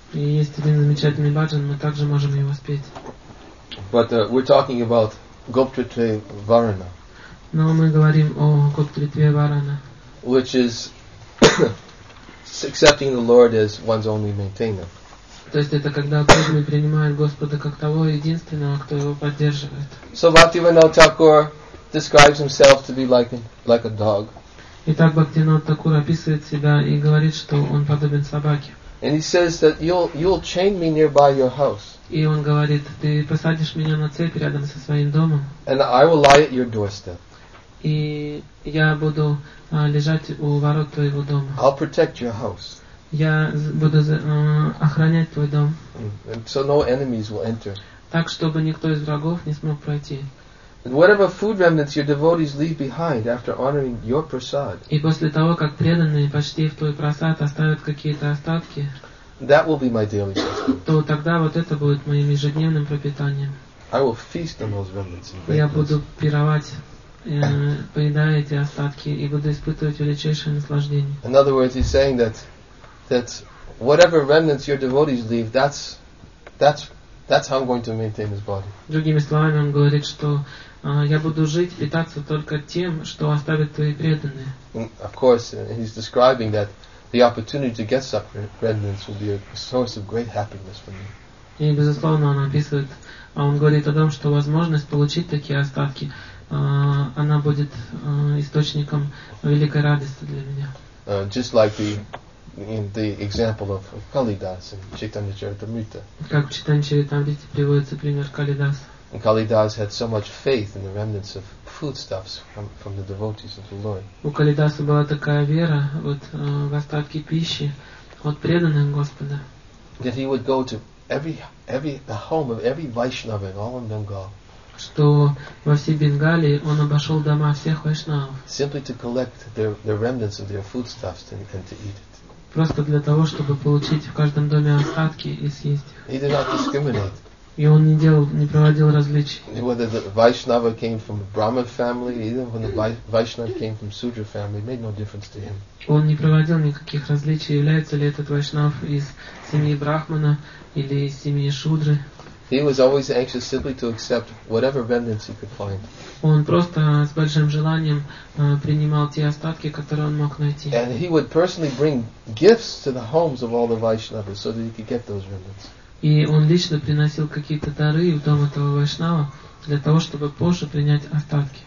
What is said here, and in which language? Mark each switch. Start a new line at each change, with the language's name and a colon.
Russian: И есть один замечательный bhajan, мы также можем его спеть.
English: But we're talking about Goptritve Varana.
Russian: Но мы говорим о Goptritve Varana.
English: Which is accepting the Lord as one's only maintainer.
Russian: То есть это когда преданный принимает Господа как того единственного, кто его поддерживает.
English: So Bhaktivinoda Thakur describes himself to be like a dog.
Russian: Итак, Бхактивинода Такур описывает себя и говорит, что он подобен собаке.
English: And he says that you'll chain me nearby your house.
Russian: И он говорит, ты посадишь меня на цепь рядом со своим домом.
English: And I will lie at your doorstep.
Russian: И я буду лежать у ворот твоего дома.
English: I'll protect your house.
Russian: Я буду охранять твой дом.
English: And so no enemies will enter.
Russian: Так, чтобы никто из врагов не смог пройти.
English: And whatever food remnants your devotees leave behind after honoring your prasad.
Russian: И после того, как преданные почти в твой прасад оставят какие-то остатки.
English: That will be my daily sustenance.
Russian: То тогда вот это будет моим ежедневным пропитанием.
English: I will feast on those remnants.
Russian: Я буду пировать, поедая эти остатки и буду испытывать величайшее наслаждение.
English: In other words, he's saying that whatever remnants your devotees leave, that's how I'm going to maintain this body.
Russian: Другими словами, он говорит, что я буду жить, питаться только тем, что оставят твои преданные.
English: Of course, he's describing that the opportunity to get some remnants will be a source of great happiness for me.
Russian: И безусловно, он описывает, а он говорит о том, что возможность получить такие остатки, она будет источником великой радости для меня.
English: Just like the in the example of Kalidas in Chaitanya Charitamrita.
Russian: Как в Чайтанья Чаритамрите приводится пример Калидаса.
English: And Kalidas had so much faith in the remnants of foodstuffs from the devotees of the Lord.
Russian: У Калидаса была такая вера вот в остатки пищи от преданных Господа.
English: That he would go to every the home of every Vaishnava in all of Bengal.
Russian: Что во всей Бенгалии он обошел дома всех вайшнавов.
English: Simply to collect the remnants of their foodstuffs and to eat it.
Russian: Просто для того, чтобы получить в каждом доме остатки и съесть их.
English: He did not discriminate.
Russian: И он не проводил различий.
English: Whether the Vaishnava came from a Brahmin family, even when the Vaishnava came from Sudra family, made no difference to him.
Russian: Он не проводил никаких различий, является ли этот вайшнав из семьи Брахмана или из семьи Шудры.
English: He was always anxious simply to accept whatever remnants he could find.
Russian: Он просто с большим желанием принимал те остатки, которые он мог найти.
English: And he would personally bring gifts to the homes of all the Vaishnavas so that he could get those remnants.
Russian: И он лично приносил какие-то дары в дом этого вайшнава для того, чтобы позже принять остатки.